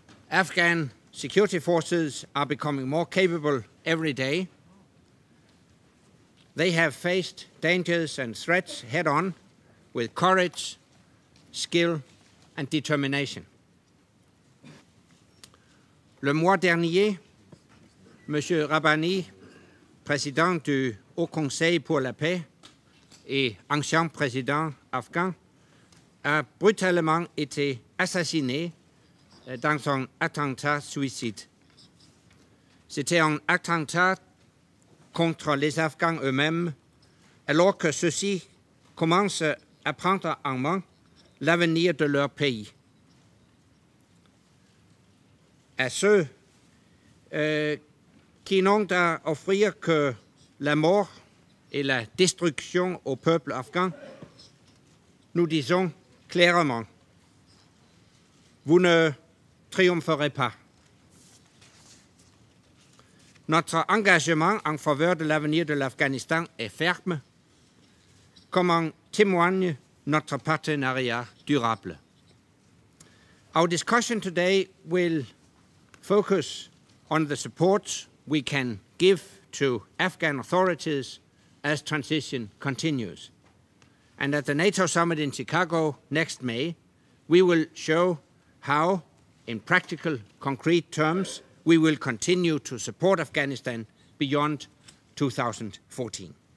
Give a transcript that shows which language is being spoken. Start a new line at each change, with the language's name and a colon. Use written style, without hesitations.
English: Afghan security forces are becoming more capable every day. They have faced dangers and threats head-on with courage, skill, and determination.
French: Le mois dernier, M. Rabbani, président du Haut Conseil pour la paix et ancien président afghan, a brutalement été assassiné dans un attentat suicide. C'était un attentat contre les Afghans eux-mêmes, alors que ceux-ci commencent à prendre en main l'avenir de leur pays. À ceux qui n'ont à offrir que la mort et la destruction au peuple afghan, nous disons clairement, vous ne triompherez pas. Notre engagement en faveur de l'avenir de l'Afghanistan est ferme, comme en témoigne notre partenariat durable.
English: Our discussion today will focus on the support we can give to Afghan authorities as transition continues. And at the NATO summit in Chicago next May, we will show how, in practical, concrete terms, we will continue to support Afghanistan beyond 2014.